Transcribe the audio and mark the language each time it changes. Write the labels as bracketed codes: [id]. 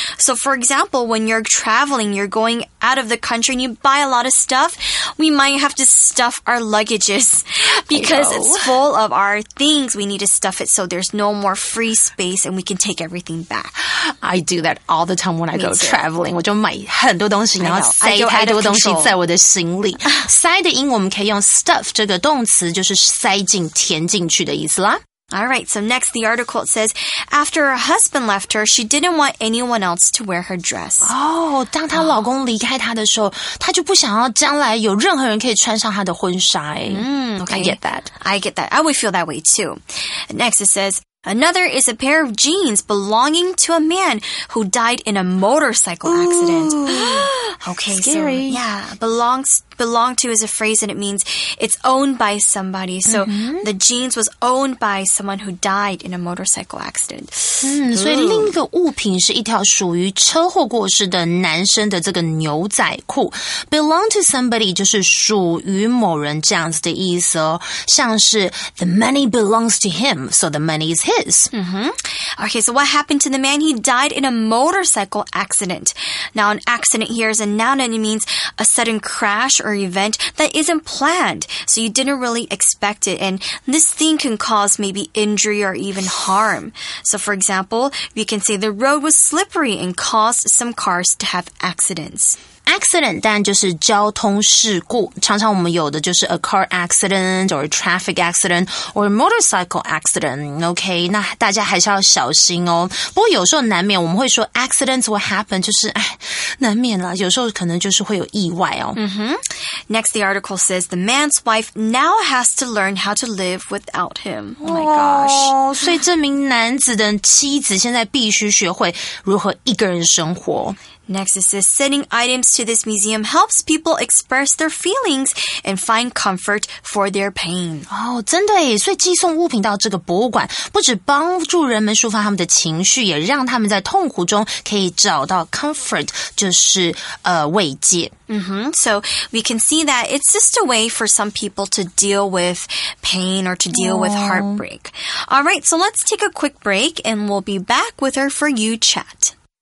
[en] So for example, when you're traveling, you're going out of the country and you buy a lot of stuff, we might have to stuff our luggages because it's full of our things. We need to stuff it so there's no more free space and we can take everything back. I do that all the time when I go traveling. [zh] 我就买很多东西然后塞太多东西在我的心塞的音我们可以用 stuff 这个动词就是塞进填进去的意思啦。 [en] Alright, so next the article says, after her husband left her, she didn't want anyone else to wear her dress. [zh] Oh, 当她老公离开她的时候她就不想要将来有任何人可以穿上她的婚纱。 [en] Okay, I get that. I get that. I would feel that way too. Next it says,Another is a pair of jeans belonging to a man who died in a motorcycle accident. Ooh, okay, scary. So, yeah, belong to is a phrase and it means it's owned by somebody. So、mm-hmm. the jeans was owned by someone who died in a motorcycle accident.、 Mm-hmm. [zh] 所以另一个物品是一条属于车祸过世的男生的这个牛仔裤。 [en] Belong to somebody [zh] 就是属于某人这样子的意思哦。像是 [en] the money belongs to him, so the money is his.、 Mm-hmm. Okay, so what happened to the man? He died in a motorcycle accident. Now an accident here is a noun and it means a sudden crash,or event that isn't planned so you didn't really expect it and this thing can cause maybe injury or even harm so for example you can say the road was slippery and caused some cars to have accidents [zh] accident 当然就是交通事故常常我们有的就是 [en] a car accident or a traffic accident or a motorcycle accident [zh] OK 那大家还是要小心哦不过有时候难免我们会说 [en] accidents will happen [zh] 就是难免啦有时候可能就是会有意外哦、 mm-hmm. [en] Next the article says the man's wife now has to learn how to live without him Oh my gosh [zh] 所以这名男子的妻子现在必须学会如何一个人生活 [en] Next it says, sending items to this museum helps people express their feelings and find comfort for their pain. [zh] Oh, 真的耶，所以寄送物品到这个博物馆，不止帮助人们抒发他们的情绪，也让他们在痛苦中可以找到 comfort, 就是慰藉。 Mm-hmm. [en] So we can see that it's just a way for some people to deal with pain or to deal with heartbreak. All right, so let's take a quick break and we'll be back with our For You chat.